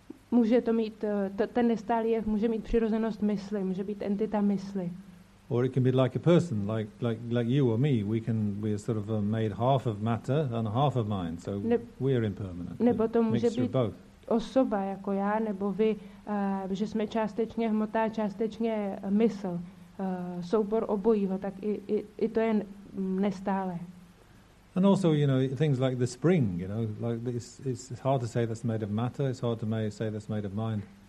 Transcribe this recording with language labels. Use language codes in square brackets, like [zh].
[cs] Může to mít ten nestálý jev může mít přirozenost mysli, může být entita mysli. [en] Or it can be like a person, like you or me. We're sort of made half of matter and half of mind, so we are impermanent. [cs] Nebo to může být [en] both. [cs] Osoba jako já nebo vy, že jsme částečně hmota, částečně mysl. Soubor obojího, tak i to je nestálé. [en] And also, you know, things like the spring, you know, like it's hard to say that's made of matter, it's hard to say that's made of mind.